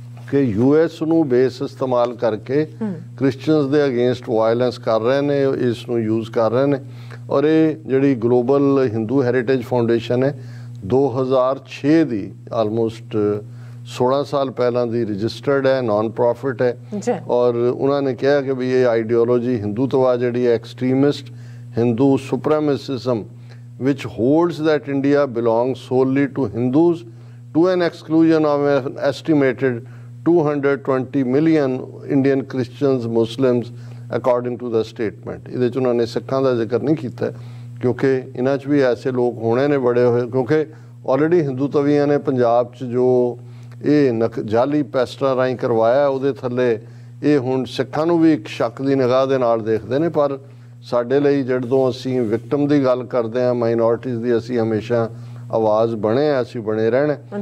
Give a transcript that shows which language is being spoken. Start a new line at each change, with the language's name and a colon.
Punjabi: ਕਿ US ਨੂੰ base ਇਸਤੇਮਾਲ ਕਰਕੇ ਕ੍ਰਿਸਚਨਸ ਦੇ ਅਗੇਂਸਟ ਵਾਇਲੈਂਸ ਕਰ ਰਹੇ ਨੇ ਇਸ ਨੂੰ ਯੂਜ਼ ਕਰ ਰਹੇ ਨੇ ਔਰ ਇਹ ਜਿਹੜੀ ਗਲੋਬਲ ਹਿੰਦੂ ਹੈਰੀਟੇਜ ਫਾਊਂਡੇਸ਼ਨ ਹੈ 2006 ਦੀ ਆਲਮੋਸਟ 16 ਸਾਲ ਪਹਿਲਾਂ ਦੀ ਰਜਿਸਟਰਡ ਹੈ ਨੋਨ ਪ੍ਰੋਫਿਟ ਹੈ ਔਰ ਉਹਨਾਂ ਨੇ ਕਿਹਾ ਕਿ ਵੀ ਇਹ ਆਈਡੀਓਲੋਜੀ ਹਿੰਦੂਤਵਾ ਜਿਹੜੀ ਹੈ extremist
English: Hindu supremacism, which holds that India belongs solely to Hindus, to an exclusion of an estimated 220 million Indian Christians, Muslims, according to the statement.
Punjabi: ਇਹਦੇ 'ਚ ਉਹਨਾਂ ਨੇ ਸਿੱਖਾਂ ਦਾ ਜ਼ਿਕਰ ਨਹੀਂ ਕੀਤਾ ਕਿਉਂਕਿ ਇਹਨਾਂ 'ਚ ਵੀ ਐਸੇ ਲੋਕ ਹੋਣੇ ਨੇ ਬੜੇ ਹੋਏ, ਕਿਉਂਕਿ ਆਲਰੇਡੀ ਹਿੰਦੂ ਤਵੀਆਂ ਨੇ ਪੰਜਾਬ 'ਚ ਜੋ ਇਹ ਜਾਅਲੀ ਪੈਸਟਰਾਂ ਰਾਹੀਂ ਕਰਵਾਇਆ ਉਹਦੇ ਥੱਲੇ ਇਹ ਹੁਣ ਸਿੱਖਾਂ ਨੂੰ ਵੀ ਇੱਕ ਸ਼ੱਕ ਦੀ ਨਿਗਾਹ ਦੇ ਨਾਲ ਦੇਖਦੇ ਨੇ। ਪਰ ਸਾਡੇ ਲਈ ਜਦੋਂ ਅਸੀਂ ਵਿਕਟਮ ਦੀ ਗੱਲ ਕਰਦੇ ਹਾਂ, ਮਾਈਨੋਰਟੀਜ਼ ਦੀ ਅਸੀਂ ਹਮੇਸ਼ਾ ਆਵਾਜ਼ ਬਣੇ ਹਾਂ, ਅਸੀਂ ਬਣੇ ਰਹਿਣਾ।